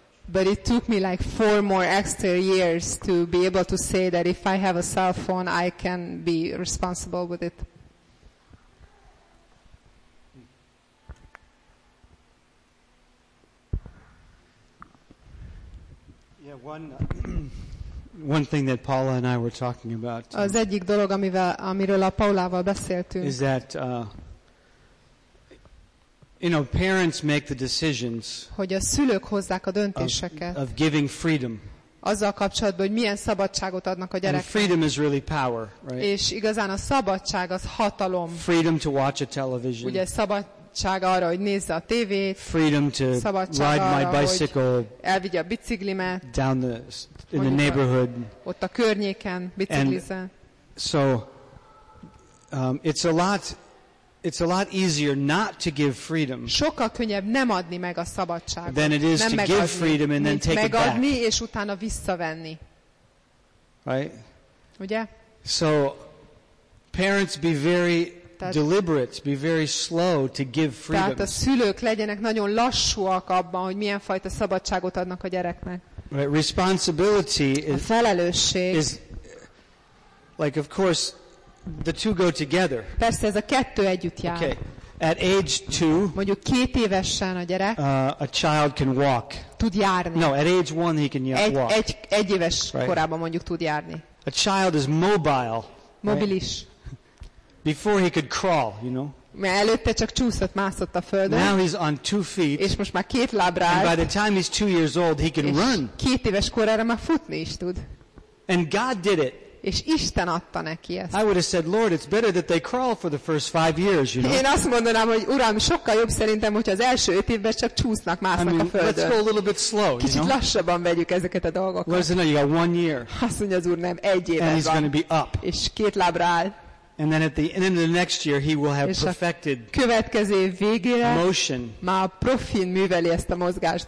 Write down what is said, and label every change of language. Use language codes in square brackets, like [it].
[en] But it took me like 4 more extra years to be able to say that if I have a cell phone, I can be responsible with it. Yeah, one thing that Paula and I were talking about. [hu] Az egyik dolog, amiről a Paulával beszéltünk. [en] Is that you know, parents make the decisions. [hu] Hogy a szülők hozzák a döntéseket. [en] Of giving freedom. [hu] Azzal kapcsolatban, hogy milyen szabadságot adnak a gyereknek. [en] And freedom is really power, right? [hu] És igazán a szabadság az hatalom. [en] Freedom to watch a television. [hu] Ugye szabad arra, hogy nézze a tévét, [en] freedom to ride my bicycle, [hu] hogy elvigye a biciklimet, [en] down the in the neighborhood, [hu] ott a környéken biciklize. [en] So it's a lot easier not to give freedom. [hu] Sokkal könnyebb nem adni meg a szabadságot. [en] Than it is [hu] nem [en] to [hu] megadni, [en] give freedom and then take [hu] megadni, [en] it back. [hu] Megadni és utána visszavenni. [en] Right? [hu] Ugye? [en] So parents be very [hu] tehát, [en] deliberate, be very slow to give freedom. [hu] Tehát a szülők legyenek nagyon lassúak abban, hogy milyen fajta szabadságot adnak a gyereknek. [en] Right, responsibility is, [hu] a felelősség [en] is, like of course the two go together. [hu] Persze ez a kettő együtt jár. [en] Okay. At age two, [hu] mondjuk két évesen a gyerek, [en] a child can walk. [hu] Tud járni. [en] No, at age one he can walk. [hu] Egy éves [en] right. [hu] korában mondjuk tud járni. [en] A child is mobile. [hu] Mobilis. [en] Before he could crawl, you know. [hu] Mert előtte csak csúszott, mászott a földön. [en] Now he's on two feet. [hu] És most már két lábra áll. [en] By the time he's two years old, he can run. [hu] Két éves korára már futni is tud. [en] And God did it. [hu] És Isten adta neki ezt. [en] I would have said, Lord, it's better that they crawl for the first five years, you know. [hu] Én azt mondanám, hogy Uram, sokkal jobb szerintem, hogy az első öt évben csak csúsznak, másznak a földön. [en] Let's go a little bit slow, [hu] kicsit [en] you know. [hu] Kicsit lassabban vegyük ezeket a dolgokat. [en] Lord, no, you got one year. [hu] Azt mondja az Úr, nem, egy éve van. [en] And he's going to be up. [hu] És két lábra áll. [en] And then at the end of the next year, he will have perfected motion. [hu] Következő év végére [en] motion. [hu] Már profin műveli ezt a mozgást.